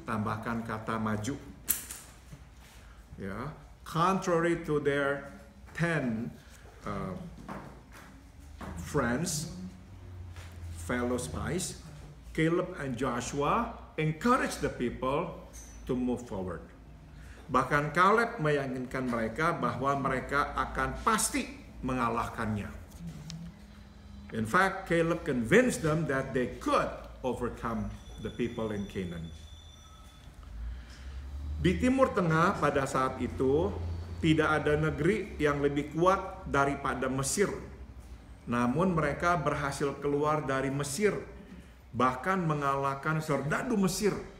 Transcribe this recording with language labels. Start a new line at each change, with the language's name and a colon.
Indonesian: Tambahkan kata maju. Ya.
English: Contrary to their 10 friends, fellow spies, Caleb and Joshua encourage the people to move forward.
Indonesian: Bahkan Caleb meyakinkan mereka bahwa mereka akan pasti mengalahkannya.
English: In fact, Caleb convinced them that they could overcome the people in Canaan.
Indonesian: Di Timur Tengah pada saat itu, tidak ada negeri yang lebih kuat daripada Mesir. Namun mereka berhasil keluar dari Mesir, bahkan mengalahkan serdadu Mesir.